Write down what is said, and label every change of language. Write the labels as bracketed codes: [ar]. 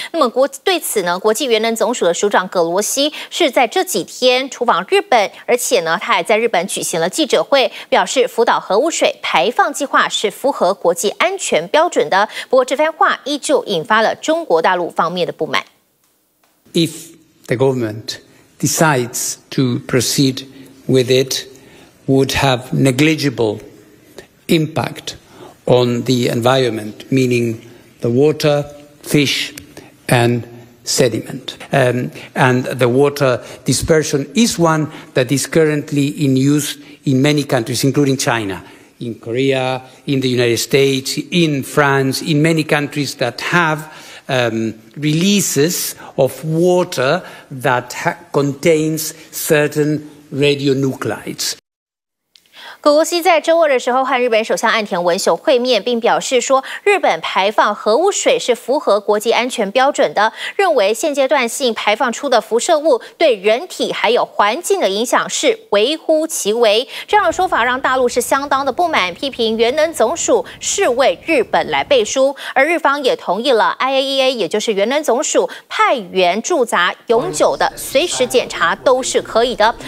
[zh] 那么对此呢，国际原能总署的署长葛罗西是在这几天出访日本，而且呢，他还在日本举行了记者会，表示福岛核污水排放计划是符合国际安全标准的。不过这番话依旧引发了中国大陆方面的不满。 [en] If the government decides to proceed with it. Would have negligible impact on the environment, meaning the water, fish, and sediment. And the water dispersion is one that is currently in use in many countries, including China, in Korea, in the United States, in France, in many countries that have releases of water that contains certain radionuclides. [zh] 葛罗西在周二的时候和日本首相岸田文雄会面，并表示说，日本排放核污水是符合国际安全标准的，认为现阶段性排放出的辐射物对人体还有环境的影响是微乎其微。这样的说法让大陆是相当的不满，批评原能总署是为日本来背书，而日方也同意了 IAEA 也就是原能总署派员驻扎，永久的随时检查都是可以的。